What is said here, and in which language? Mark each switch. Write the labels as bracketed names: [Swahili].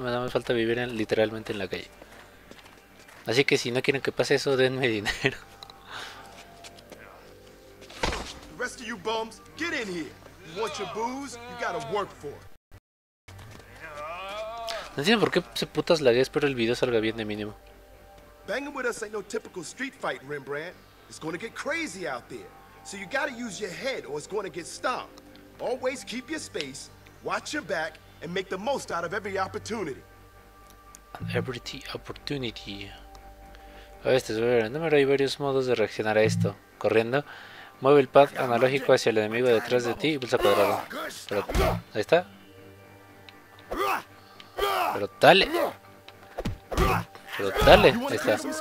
[Spanish] Me da más falta vivir en, literalmente en la calle. Así que si no quieren que pase eso, denme dinero. [English] The rest of you bums, get in here. You want your booze? You gotta work for it. [Spanish] No entiendo por qué se putas lagué, espero el video salga bien de mínimo. [English] Banging with us ain't no typical street fight, Rembrandt. It's gonna get crazy out there. So you gotta use your head or it's gonna get stomped. Always keep your space, watch your back, and make the most out of every opportunity. Every opportunity. [Spanish] Este es bueno. Número, hay varios modos de reaccionar a esto. Corriendo, mueve el pad analógico hacia el enemigo detrás de ti y pulsa cuadrado. Pero, ahí está. Pero dale. Pero dale. Ahí está.